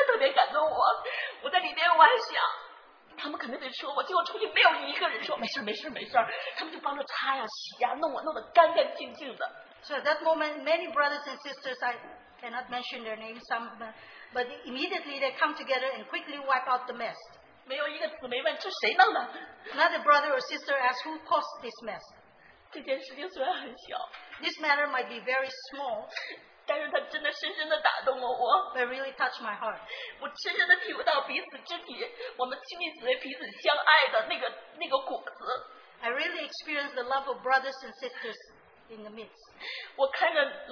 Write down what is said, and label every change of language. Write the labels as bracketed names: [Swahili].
[Chinese] 所有的姊妹，当时我记起来的是老姊妹季雨清、孙弟兄，包括红弟兄不能动，他在那儿坐着，还在那儿。大家所有的，还有那个以诺的姊妹，还有谁？我想不起来那么多的姊妹，都在那儿帮着我弄那个架子，挪开所有的擦呀擦。这个时间其实很小，但是真的特别感动我。我在里面我还想。他们肯定得说我，结果出去没有一个人说没事没事没事，他们就帮着擦呀洗呀，弄得干干净净的。 [English] So at that moment, many brothers and sisters, I cannot mention their names, some, but immediately they come together and quickly wipe out the mess. [Chinese] 没有一个姊妹问这谁弄的。 [English] Not a brother or sister asked who caused this mess. [Chinese] 这件事情虽然很小， [English] this matter might be very small. [Chinese] 但是它真的深深地打动了我。 [English] It really touched my heart. [Chinese] 我深深地体会到彼此肢体，我们亲密姊妹彼此相爱的那个果子。 [English] I really experienced the love of brothers and sisters in the midst.